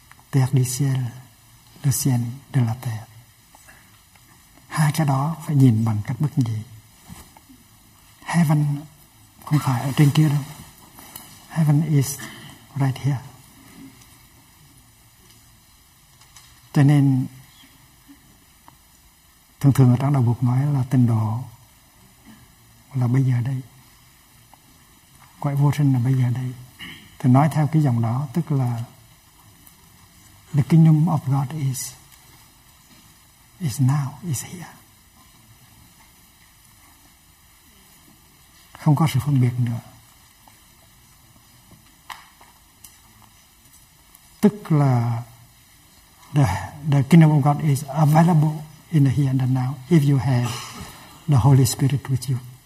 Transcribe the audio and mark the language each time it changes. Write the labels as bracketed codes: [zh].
[fr] Terre du ciel, le ciel de la terre. [vi] Hai cái đó phải nhìn bằng cách bức gì? Heaven không phải ở trên kia đâu. [en] Heaven is right here. [vi] Cho nên thường thường ở trong đạo Phật nói là tịnh độ là bây giờ đây, cõi vô sinh là bây giờ đây. Thì nói theo cái dòng đó, tức là [en] the kingdom of God is now, is here. [vi] Không có sự phân biệt nữa. Tức là [en] the kingdom of God is available in the here and the now, if you have the Holy Spirit with you.